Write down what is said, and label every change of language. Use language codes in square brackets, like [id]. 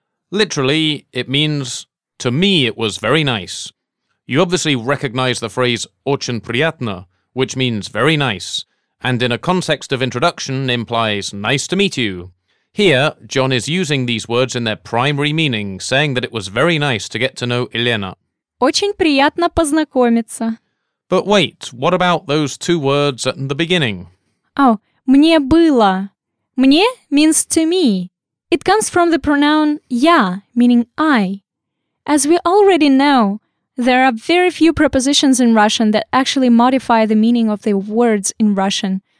[en] Literally, it means, to me it was very nice. You obviously recognize the phrase [ru] очень приятно, [en] which means very nice, and in a context of introduction implies nice to meet you. Here, John is using these words in their primary meaning, saying that it was very nice to get to know Елена. [ru] Очень приятно познакомиться. [en] But wait, what about those two words at the beginning? Oh, [ru] мне было. Мне [en] means to me. It comes from the pronoun я, meaning I. As we already know, there are very few prepositions in Russian that actually modify the meaning of the words in Russian.